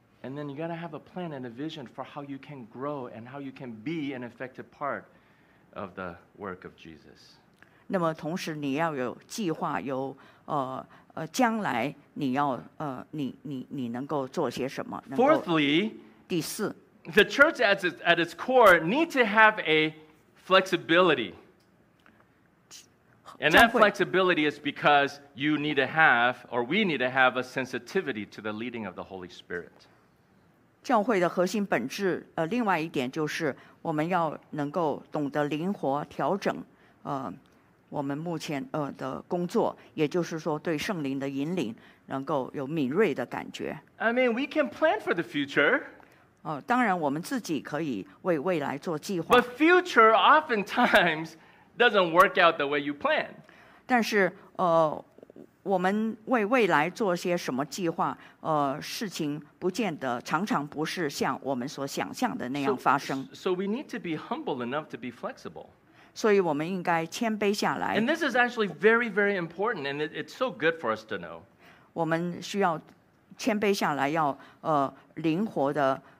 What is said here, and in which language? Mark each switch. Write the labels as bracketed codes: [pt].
[en] And then you got to have a plan and a vision for how you can grow and how you can be an effective part of the work of Jesus. [zh] 那么同时你要有计划，有将来你要你能够做些什么。 [en] Fourthly, [zh] 第四。 [en] The church at its core need to have a flexibility. And that flexibility is because you need to have, or we need to have a sensitivity to the leading of the Holy Spirit. [zh] 教会的核心本质，另外一点就是我们要能够懂得灵活调整，我们目前的工作，也就是说对圣灵的引领能够有敏锐的感觉。 [en] I mean, we can plan for the future. [zh] 当然我们自己可以为未来做计划。 [en] But future oftentimes doesn't work out the way you plan. [zh] 但是我们为未来做些什么计划，事情不见得常常不是像我们所想象的那样发生。 [en] So we need to be humble enough to be flexible. [zh] 所以我们应该谦卑下来。 [en] And this is actually very, very important, and it's so good for us to know. [zh] 我们需要谦卑下来，要灵活的。